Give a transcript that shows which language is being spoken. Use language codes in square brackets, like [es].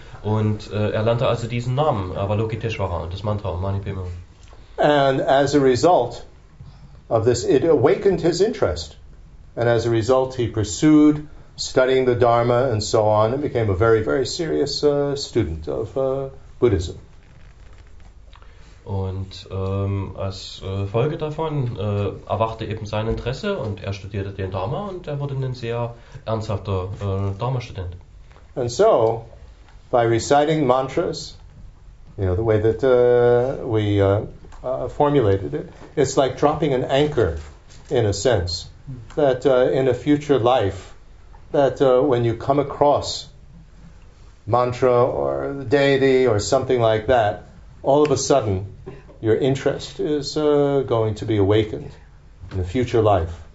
[de] Und er lernte also diesen Namen Avalokiteshvara und das Mantra Om Mani Padme Hum. [en] And as a result of this, it awakened his interest. And as a result, he pursued studying the Dharma and so on, and became a very, very serious student of Buddhism. [de] Und als Folge davon erwachte eben sein Interesse und er studierte den Dharma und er wurde ein sehr ernsthafter Dharma-Student. [en] And so, by reciting mantras, you know, the way that we formulated it, it's like dropping an anchor, in a sense, that in a future life, that when you come across mantra or the deity or something like that, all of a sudden your interest is going to be awakened in a future life.